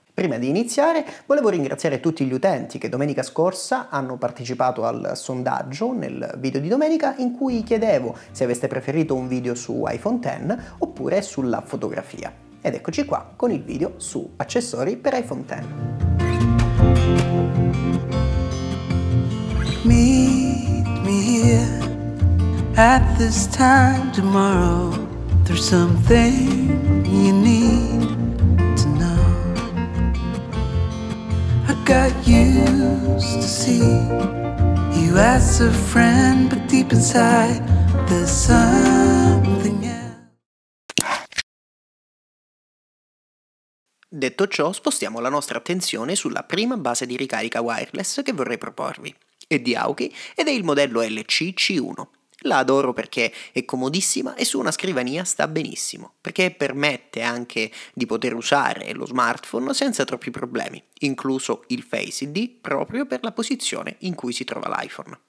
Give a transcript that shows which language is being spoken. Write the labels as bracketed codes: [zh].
[it] Prima di iniziare, volevo ringraziare tutti gli utenti che domenica scorsa hanno partecipato al sondaggio nel video di domenica in cui chiedevo se aveste preferito un video su iPhone X oppure sulla fotografia. Ed eccoci qua con il video su accessori per iPhone X. [en] Meet me here at this time tomorrow. There's something you need to know. I got used to see you as a friend, but deep inside there's something else. [it] Detto ciò, spostiamo la nostra attenzione sulla prima base di ricarica wireless che vorrei proporvi. È di Aoki ed è il modello LCC1. La adoro perché è comodissima e su una scrivania sta benissimo, perché permette anche di poter usare lo smartphone senza troppi problemi, incluso il Face ID, proprio per la posizione in cui si trova l'iPhone.